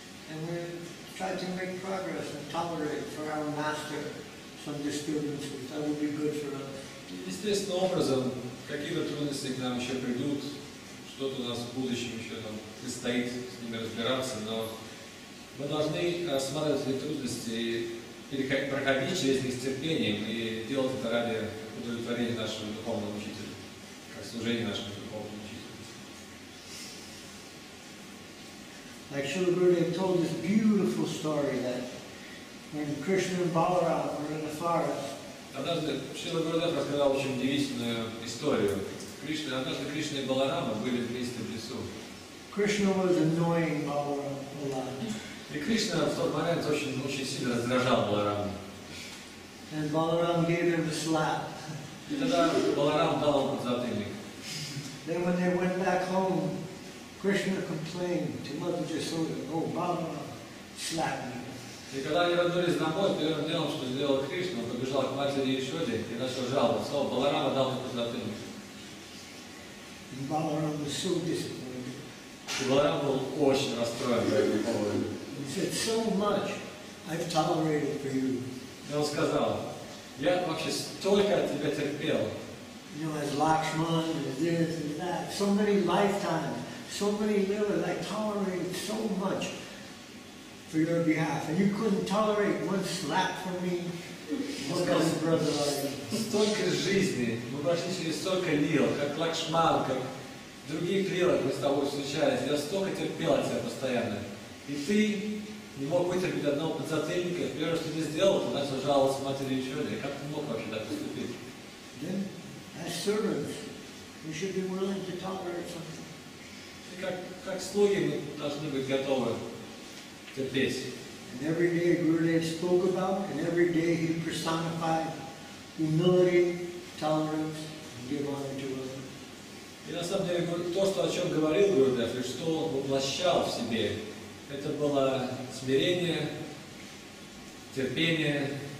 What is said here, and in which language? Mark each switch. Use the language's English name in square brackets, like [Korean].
[English] And we try to make progress and tolerate for our master some disturbances. That would be good for us. [Russian] Естественным образом, какие-то трудности к нам еще придут, что-то у нас в будущем еще там предстоит с ними разбираться, но мы должны рассматривать эти трудности и проходить через них с терпением и делать это ради удовлетворения нашего духовного учителя, как служения нашему духовному. [English] Like Srila Gurudev told this beautiful story that when Krishna and Balaram were in the forest. [Russian] Однажды Шрила Гурудев рассказал очень удивительную историю. Однажды Кришна и Баларама были вместе в лесу. [English] Krishna was annoying Balaram a lot. [Russian] И Кришна в тот момент очень сильно раздражал Баларама. [English] And Balaram gave him a slap. [Russian] И тогда Баларам дал ему подзатыльник. [English] Then when they went back home. Krishna complained to Mother Jasoda, "Oh, Balaram, slap me!" [Russian] И когда они вернулись домой, первым делом, что сделал Кришна, побежал к матери Ешоде и начал жаловаться. О, Баларама дал ему подзатыльник. [English] And Balaram was so disappointed. [Russian] Баларам был очень расстроен по этому поводу. [English] He said, "So much I've tolerated for you." [Russian] И он сказал, Я вообще столько от тебя терпел. [English] You know, as Lakshman, as this and that, so many lifetimes, so many years, I tolerated so much for your behalf, and you couldn't tolerate one slap from me. [Russian] Столько жизни, мы прошли через столько лил, как Лакшман, как другие лилы, мы с тобой встречались. Я столько терпел от тебя постоянно. И ты не мог вытерпеть одного подзатыльника. Первое, что ты сделал, ты начал жаловаться матери и чёрной. Как ты мог вообще так поступить? [English] Then, as servants, we should be willing to tolerate something. [Russian] Как слуги мы должны быть готовы терпеть. [English] And every day Gurudev spoke about, and every day he personified humility, tolerance, and give honor to others. [Russian] И на самом деле то, что о чем говорил Гурудев, и что он воплощал в себе, это было смирение, терпение.